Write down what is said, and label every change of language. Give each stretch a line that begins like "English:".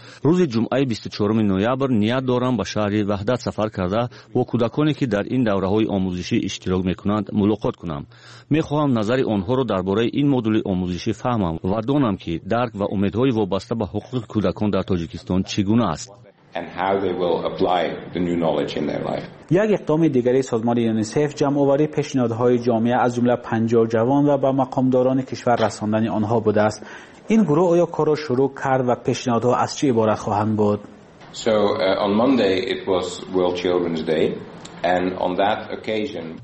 Persian: روز جمعه 24 نوامبر نیت دارم به شهر وحدت سفر کرده و کودکانی که در این دوره های آموزشی اشتراک میکنند ملاقات کنم. میخواهم نظر آنها را درباره این مدل آموزشی فهمم و دانم که درک و امیدهای وابسته به حقوق کودکان در تاجیکستان چگونه است.
English: And how they will apply the new knowledge in their life.
Persian: یک اقدام دیگری سازمان یونیسف جمع‌آوری پیشنهادهای جامعه از جمله 50 جوان و به مقامداران کشور رساندن آنها بوده است. این گروه آیا کار را شروع کرد و پیشنهادها از چه عبارت خواهند بود؟
English: On Monday it was World Children's Day. And on that occasion,